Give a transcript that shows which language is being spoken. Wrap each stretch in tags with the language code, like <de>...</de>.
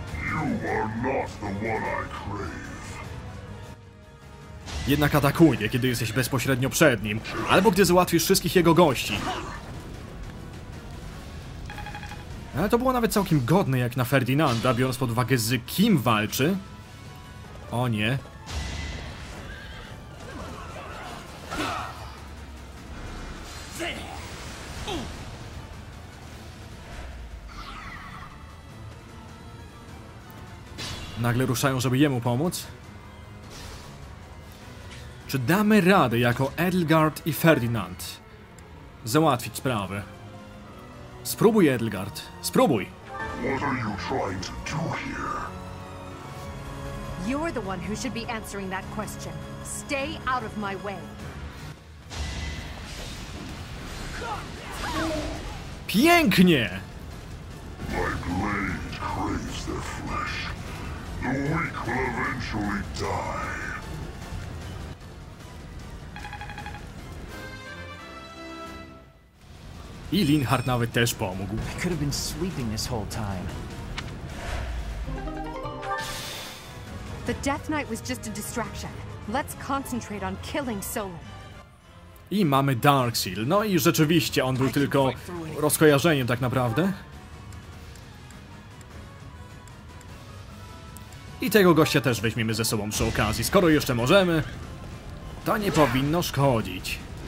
<en>You are not the one I crave.</en> <pl>jednak atakuje, kiedy jesteś bezpośrednio przed nim, albo gdy załatwisz wszystkich jego gości. Ale to było nawet całkiem godne jak na Ferdinanda, biorąc pod uwagę z kim walczy. O nie. Nagle ruszają, żeby jemu pomóc. Czy damy radę jako Edelgard i Ferdinand załatwić sprawę? Spróbuj, Edelgard, spróbuj!</pl> <en>What are you trying to do here? You're the one who should be answering that question. Stay out of my way.</en> <pl>Pięknie!</pl> <en>My blade craves their flesh. The weak will eventually die.</en> <pl>I Linhart nawet też pomógł.</pl> <en>I could have been sleeping this whole time. The Death Knight was just a distraction. Let's concentrate on killing Solon.</en> <pl>I mamy Darksil. No i rzeczywiście on był tylko rozkojarzeniem tak naprawdę. I tego gościa też weźmiemy ze sobą przy okazji. Skoro jeszcze możemy, to nie powinno szkodzić.</pl>